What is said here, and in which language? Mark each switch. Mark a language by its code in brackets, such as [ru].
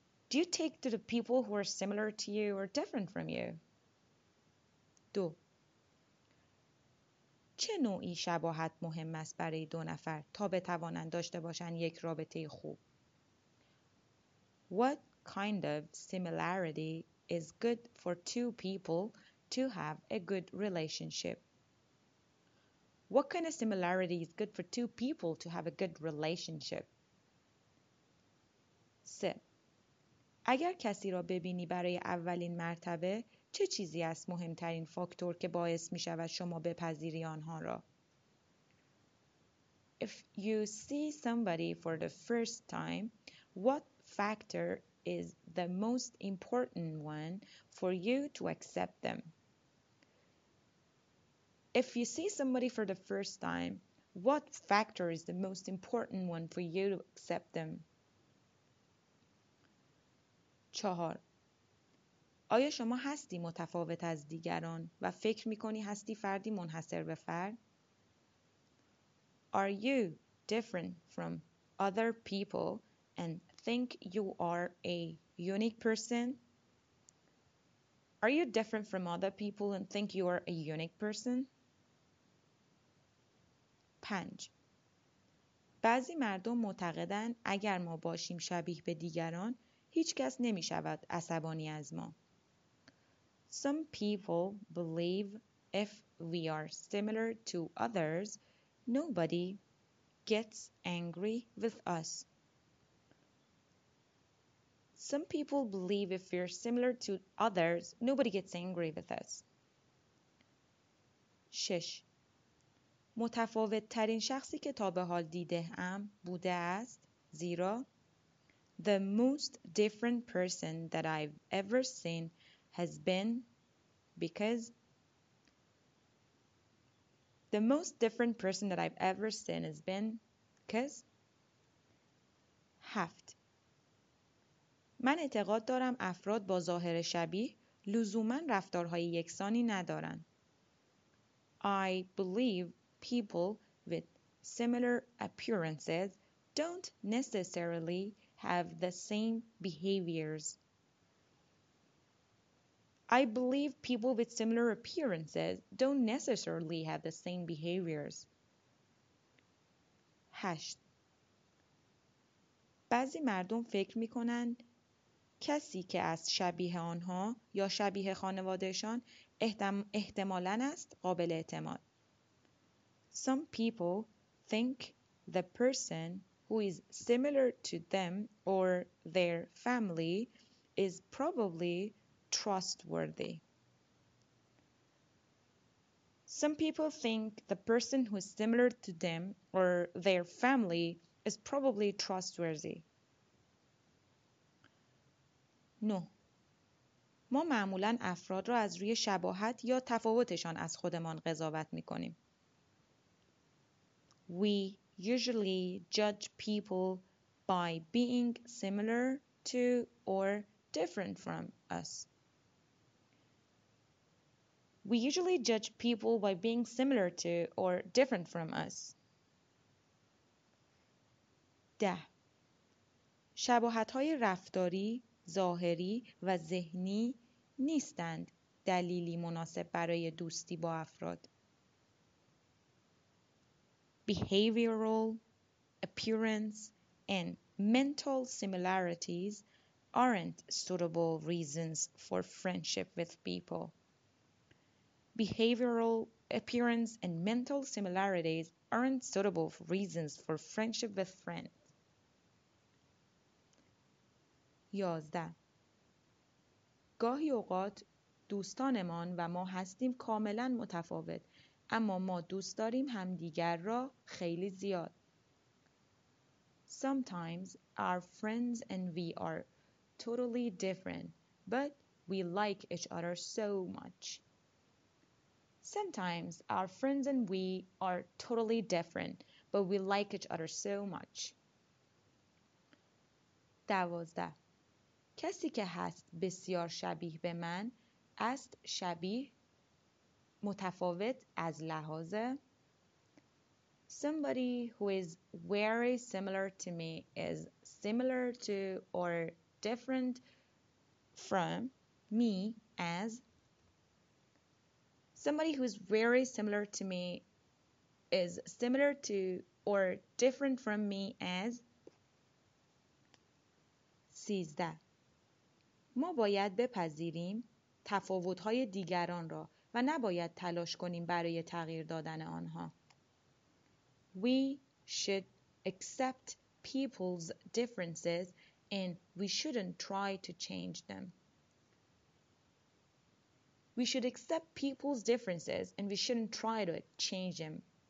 [en] Do you take to the people who are similar to you or different from you? 2. [fa] چه نوعی شباهت مهم است برای دو نفر تا بتوانند داشته باشند یک رابطه خوب؟ [en] What kind of similarity is good for two people to have a good relationship? What kind of similarity is good for two people to have a good relationship? 3. [fa] اگر کسی را ببینی برای اولین مرتبه، چه چیزی است مهمترین فاکتور که باعث می شود شما بپذیری آنها را؟ [en] If you see somebody for the first time, what factor is the most important one for you to accept them? If you see somebody for the first time, what factor is the most important one for you to accept them? 4. [fa] آیا شما هستی متفاوت از دیگران و فکر می‌کنی هستی فردی منحصر به فرد؟ [en] Are you different from other people and think you are a unique person? Are you different from other people and think you are a unique person? 5. [fa] بعضی مردم معتقدند اگر ما باشیم شبیه به دیگران، هیچ کس نمی‌شود عصبانی از ما. [en] Some people believe if we are similar to others, nobody gets angry with us. Some people believe if we're similar to others, nobody gets angry with us. 6. [fa] متفاوت ترین شخصی که تا به حال دیده‌ام بوده است، زیرا [en] The most different person that I've ever seen has been because the most different person that I've ever seen has been because [fa] هفت من اعتقاد دارم افراد با ظاهر شبیه لزوماً رفتارهای یکسانی ندارن. [en] I believe people with similar appearances don't necessarily have the same behaviors. I believe people with similar appearances don't necessarily have the same behaviors. 8. [fa] بعضی مردم فکر می‌کنند کسی که از شبیه آنها یا شبیه خانواده‌شان احتمالاً است قابل اعتماد. [en] Some people think the person who is similar to them or their family is probably trustworthy. Some people think the person who is similar to them or their family is probably trustworthy. No. [fa] ما معمولاً افراد را از روی شباهت یا تفاوتشان از خودمان قضاوت می‌کنیم. [en] We usually judge people by being similar to or different from us. We usually judge people by being similar to or different from us. 10. [fa] شباهت‌های رفتاری، ظاهری و ذهنی نیستند دلیلی مناسب برای دوستی با افراد. [en] Behavioral, appearance, and mental similarities aren't suitable reasons for friendship with people. Behavioral, appearance, and mental similarities aren't suitable reasons for friendship with friends. 11. [fa] گاهی اوقات دوستانمان و ما هستیم کاملا متفاوت، اما ما دوست داریم همدیگر را خیلی زیاد. [en] Sometimes our friends and we are totally different, but we like each other so much. Sometimes our friends and we are totally different, but we like each other so much. 12. [fa] کسی که هست بسیار شبیه به من است شبیه متفاوت از لحاظ [en] Somebody who is very similar to me is similar to or different from me as Somebody who is very similar to me is similar to or different from me as 13. [fa] ما باید بپذیریم تفاوت‌های دیگران را و نباید تلاش کنیم برای تغییر دادن آنها. [en] We should accept people's differences and we shouldn't try to change them. We should accept people's differences and we shouldn't try to change them.